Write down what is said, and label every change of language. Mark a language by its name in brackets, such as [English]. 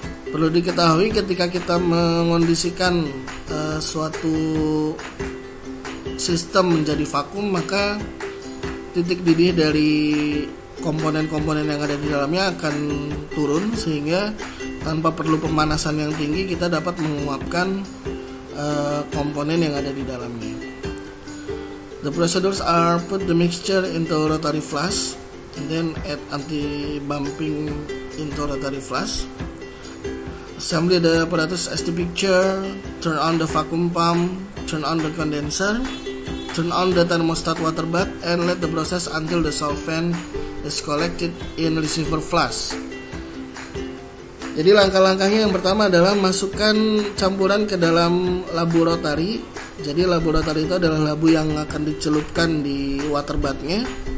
[Indonesian] Perlu diketahui ketika kita mengondisikan suatu sistem menjadi vakum, maka titik didih dari komponen-komponen yang ada di dalamnya akan turun, sehingga tanpa perlu pemanasan yang tinggi kita dapat menguapkan komponen yang ada di dalamnya. [English] The procedures are put the mixture into rotary flask and then add anti-bumping into rotary flask. Assembly the apparatus as the picture, turn on the vacuum pump, turn on the condenser, turn on the thermostat water bath and let the process until the solvent is collected in receiver flask. [Indonesian] Jadi langkah-langkahnya yang pertama adalah masukkan campuran ke dalam labu rotary. Jadi labu rotary itu adalah labu yang akan dicelupkan di water bath-nya.